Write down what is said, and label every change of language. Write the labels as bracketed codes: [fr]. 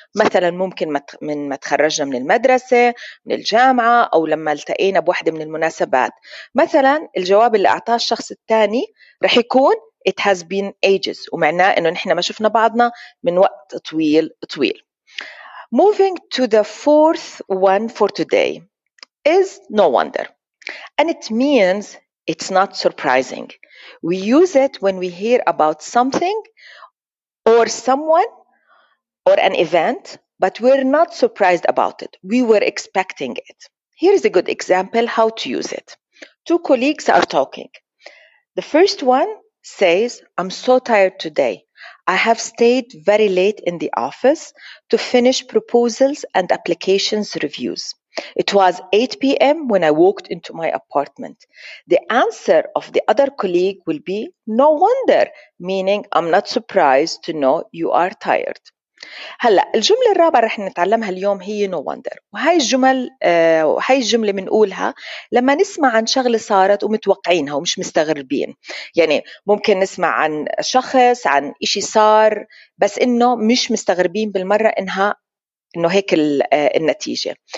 [ar] مثلا ممكن من ما تخرجنا من المدرسة، من الجامعة، أو لما التقينا بوحدة من المناسبات. مثلا الجواب اللي أعطاه الشخص الثاني رح يكون [en] it has been ages، [ar] ومعناه إنه نحن ما شفنا بعضنا من وقت طويل طويل. [en] Moving to the fourth one for today is no wonder. And it means it's not surprising. We use it when we hear about something or someone or an event, but we're not surprised about it. We were expecting it. Here is a good example how to use it. Two colleagues are talking. The first one says, I'm so tired today. I have stayed very late in the office to finish proposals and applications reviews. It was 8 p.m. when I walked into my apartment. The answer of the other colleague will be, no wonder, meaning I'm not surprised to know you are tired. [ar] هلأ الجملة الرابعة رح نتعلمها اليوم هي [en] no wonder، [ar] وهي الجمل وهي الجملة منقولها لما نسمع عن شغلة صارت ومتوقعينها ومش مستغربين. يعني ممكن نسمع عن شخص، عن إشي صار، بس إنه مش مستغربين بالمرة إنها إنه هيك النتيجة.